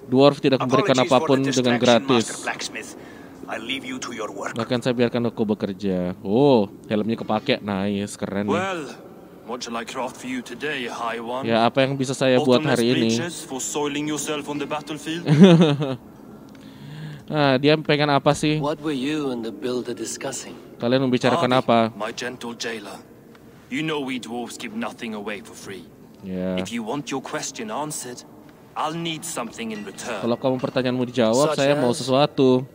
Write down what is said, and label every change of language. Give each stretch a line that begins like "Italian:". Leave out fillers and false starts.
Indonesian: Dwarf tidak memberikan apapun dengan gratis.
English: I'll leave you to your work.
Indonesian: Bahkan saya biarkan aku bekerja. Oh, helmnya kepake. Nice, keren nih.
English: Well, what shall I craft for you today, high one?
Indonesian: Ya, apa yang bisa saya buat hari ini?
English: For soiling yourself on the battlefield?
Indonesian: Nah, dia pengen apa sih?
English: What were you and the builder discussing?
Indonesian: Kalian membicarakan apa?
English: My gentle jailer. You know we dwarves give nothing away for free. Yeah. If you want your question answered, I'll need something in return.
Indonesian: Kalau kamu pertanyaanmu dijawab, saya mau sesuatu.